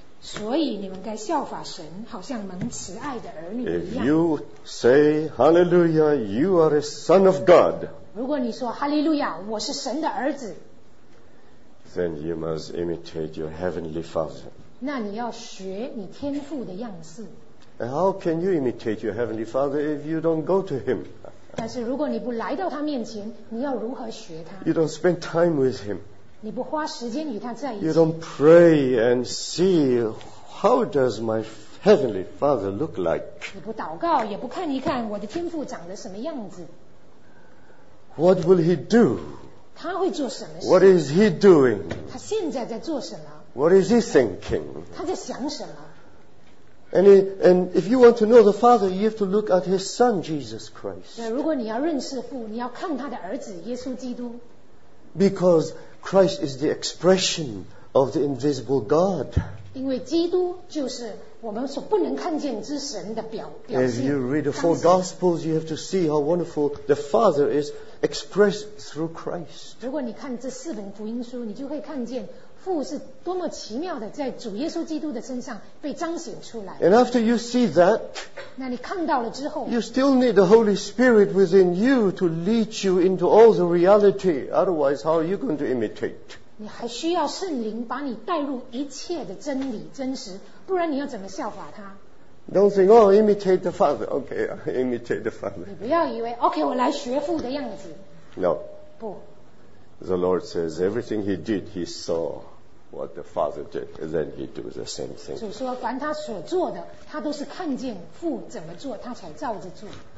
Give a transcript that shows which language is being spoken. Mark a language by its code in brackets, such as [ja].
[zh] 所以你们该效法神，好像蒙慈爱的儿女一样。 [en] If you say hallelujah, you are a son of God. [zh] 如果你说hallelujah，我是神的儿子。 [en] Then you must imitate your heavenly father. [zh] 那你要学你天父的样式。 [en] How can you imitate your heavenly father if you don't go to him? [zh] 但是如果你不来到他面前，你要如何学他？ [en] You don't spend time with him. [zh] 你不花时间与他在一起。 [en] You don't pray and see how does my heavenly father look like. [zh] 你不祷告，也不看一看我的天父长得什么样子。 [en] What will he do? [zh] 他会做什么事？ [en] What is he doing? [zh] 他现在在做什么？ [en] What is he thinking? [zh] 他在想什么？ [en] And if you want to know the Father, you have to look at His Son, Jesus Christ. [zh] 如果你要认识父，你要看他的儿子耶稣基督。 [en] Because Christ is the expression of the invisible God. [zh] 因为基督就是我们所不能看见之神的表现。 [en] If you read the four Gospels, you have to see how wonderful the Father is expressed through Christ. [zh] 如果你看这四本福音书，你就会看见。父是多么奇妙的，在主耶稣基督的身上被彰显出来。 [en] And after you see that, [zh] 那你看到了之后， [en] you still need the Holy Spirit within you to lead you into all the reality. Otherwise, how are you going to imitate? [zh] 你还需要圣灵把你带入一切的真理真实，不然你要怎么效法他？ [en] Don't think, oh, imitate the Father. Okay, imitate the Father. [zh] 你不要以为 ，OK， 我来学父的样子。 [en] No. [zh] 不。 [en] The Lord says, everything he did, he saw what the Father did, and then he do the same thing. [zh] 主说，凡他所做的，他都是看见父怎么做，他才照着做。